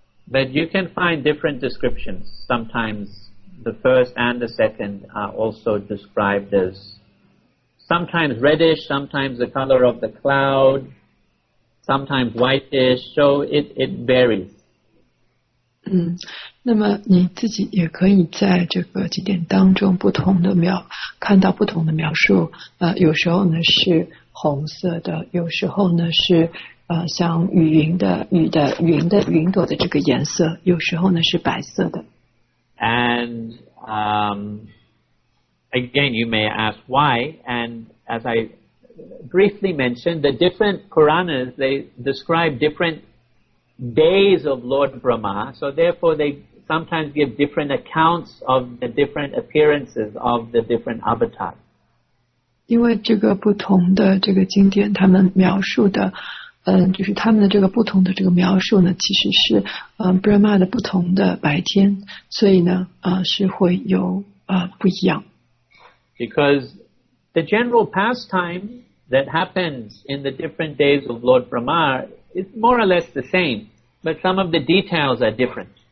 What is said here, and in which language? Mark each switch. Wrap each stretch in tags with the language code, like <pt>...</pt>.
<en>But you can find different descriptions. Sometimes the first and the second are also described as sometimes reddish, sometimes the color of the cloud, sometimes whitish. So it varies.</en> <zh>那么你自己也可以在这个几点当中不同的描看到不同的描述。有时候呢是红色的，有时候呢是像云朵的这个颜色，有时候呢是白色的。</zh> <en>And again, you may ask why. And as I briefly mentioned, the different Puranas they describe different days of Lord Brahma. So therefore, they sometimes give different accounts of the different appearances of the different avatars.</en> <zh>因为这个不同的这个经典他们描述的就是他们的这个不同的这个描述呢其实是Brahma 的不同的白天所以呢是会有不一样。</zh> <en>Because the general pastime that happens in the different days of Lord Brahma is more or less the same, but some of the details are different.</en>